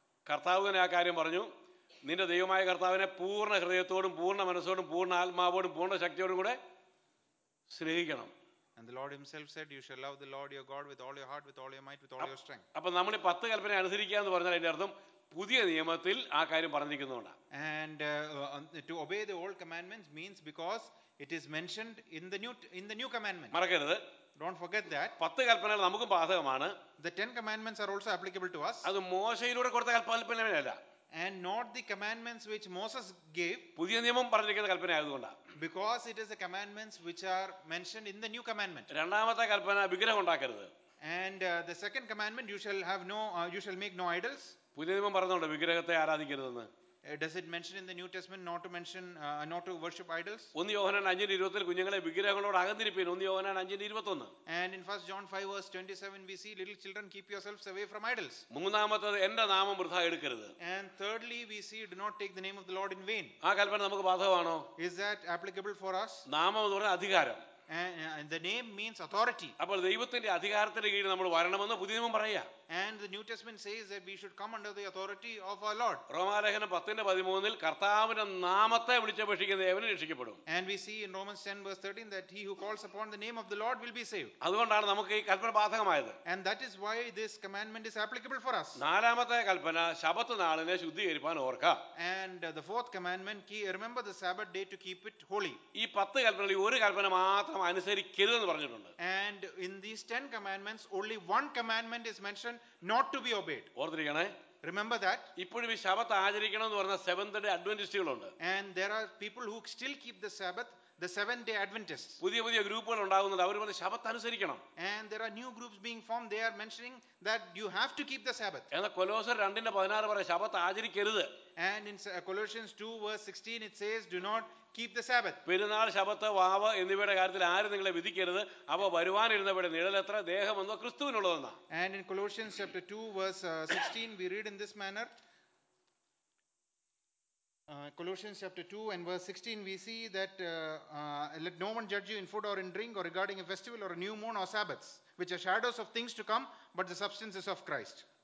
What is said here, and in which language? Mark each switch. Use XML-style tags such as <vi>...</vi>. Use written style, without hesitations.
<ml>കർത്താവ് തന്നെ ആ കാര്യം പറഞ്ഞു, നിന്റെ ദൈവമായ കർത്താവിനെ പൂർണ്ണ ഹൃദയത്തോടും പൂർണ്ണ മനസ്സോടും പൂർണ്ണ ആത്മാവോടും പൂർണ്ണ ശക്തിയോടും കൂടെ സ്നേഹിക്കണം.</ml> <en>And the Lord himself said you shall love the Lord your God with all your heart, with all your might, with all your strength.</en> <ml>അപ്പോൾ നമ്മൾ 10 കൽപ്പന അനുസരിക്കുക എന്ന് പറഞ്ഞാൽ അതിന്റെ അർത്ഥം പുതിയ നിയമത്തിൽ ആ കാര്യം പറഞ്ഞിരിക്കുന്നതുകൊണ്ടാണ്.</ml> <en>And to obey the old commandments means because it is mentioned in the new commandment.</en> <ml>മറക്കരുത്.</ml> <en>Don't forget that.</en> <ml>10 കൽപ്പനകൾ നമുക്കും ബാധകമാണ്.</ml> <en>The 10 commandments are also applicable to us.</en> <ml>അത് മോശയിലൂടെ കൊടുത്ത കൽപ്പനയല്ല.</ml> <en>And not the commandments which Moses gave.</en> <ml>പുതിയ നിയമം പറഞ്ഞിരിക്കുന്ന കൽപ്പന ആയതുകൊണ്ടാണ്.</ml> <en>Because it is the commandments which are mentioned in the new commandment.</en> <ml>രണ്ടാമത്തെ കൽപ്പന വിഗ്രഹം ഉണ്ടാക്കരുത്.</ml> <en>And the second commandment you shall make no idols.</en> <ml>പുതിയ നിയമം പറഞ്ഞുണ്ട് വിഗ്രഹത്തെ ആരാധിക്കരുതെന്ന്.</ml> <en>Does it mention in the New Testament not to mention not to worship idols?</en> <ml>ഒന്ന് യോഹന്നാൻ 5:21 ൽ കുഞ്ഞുങ്ങളെ വിഗ്രഹങ്ങളോട് അകന്നിരിപ്പിൻ. ഒന്ന് യോഹന്നാൻ 5:21.</ml> <en>And in 1 John 5:27 we see little children keep yourselves away from idols.</en> <ml>മൂന്നാമത്തേത് എൻ്റെ നാമം വൃഥാ എടുക്കരുത്.</ml> <en>And thirdly we see do not take the name of the Lord in vain.</en> <ml>ആ കൽപ്പന നമുക്ക് ബാധകമാണോ?</ml> <en>Is that applicable for us?</en> <ml>നാമം എന്ന് പറഞ്ഞാൽ അധികാരം.</ml> <en>And the name means authority.</en> <ml>അപ്പോൾ ദൈവത്തിന്റെ അധികാരത്തിന്റെ കീഴിൽ നമ്മൾ വരണമെന്ന് പുതിയ നിയമം പറയാ.</ml> <en>And the New Testament says that we should come under the authority of our Lord.</en> <ml>റോമാലേഖനം 10:13 കർത്താവിന്റെ നാമത്തെ വിളിച്ചപേക്ഷിക്കുന്ന ഏവനും രക്ഷിക്കപ്പെടും.</ml> <en>And we see in Romans 10:13 that he who calls upon the name of the Lord will be saved.</en> <ml>അതുകൊണ്ടാണ് നമുക്ക് ഈ കൽപ്പന ബാധകമായത്.</ml> <en>And that is why this commandment is applicable for us.</en> <ml>നാലാമത്തെ കൽപ്പന ശബത്ത് നാളിനെ ശുദ്ധീകരിക്കാൻ ഓർക്കുക.</ml> <en>And the fourth commandment key remember the Sabbath day to keep it holy.</en> <ml>ഈ 10 കൽപ്പനകളിൽ ഒരു കൽപ്പന മാത്രം അനുസരിക്കരുത് എന്ന് പറഞ്ഞിട്ടുണ്ട്.</ml> <en>And in these 10 commandments only one commandment is mentioned not to be obeyed.</en> <ml>ഓർത്തിരിക്കണേ.</ml> <en>Remember that</en> <ml>ഇപ്പോഴും ഈ ശബത്ത് ആചരിക്കണം എന്ന് പറഞ്ഞ സെവൻത് ഡേ അഡ്വന്റിസ്റ്റുകൾ ഉണ്ട്.</ml> <en>And there are people who still keep the Sabbath, the Seventh Day Adventists.</en> <ml>പുതിയ പുതിയ ഗ്രൂപ്പുകൾ ഉണ്ടാകുന്നുണ്ട്, അവർ പറഞ്ഞ ശബത്ത് അനുസരിക്കണം.</ml> <en>And there are new groups being formed, they are mentioning that you have to keep the Sabbath.</en> <ml>എന്നാൽ കൊലോസ്യർ 2:16 പറയുന്നു ശബത്ത് ആചരിക്കരുത്.</ml> <en>And in Colossians 2:16 it says do not keep the Sabbath.</en> <ml>പെരുന്നാൾ, ശബത്ത്, വാവ് എന്നിവയുടെ കാര്യത്തിൽ ആരും നിങ്ങളെ വിധിക്കരുത്. അവ വരുവാനിരുന്നവരുടെ നിഴൽ എത്ര, ദേഹം എന്നോ ക്രിസ്തുവിനുള്ളതെന്ന.</ml> <en>And in Colossians chapter 2:16 we read in this manner. Colossians chapter 2 and verse 16 we see that let no one judge you in food or in drink or regarding a festival or a new moon or sabbaths which are shadows of things to come but the substance is of Christ.</en>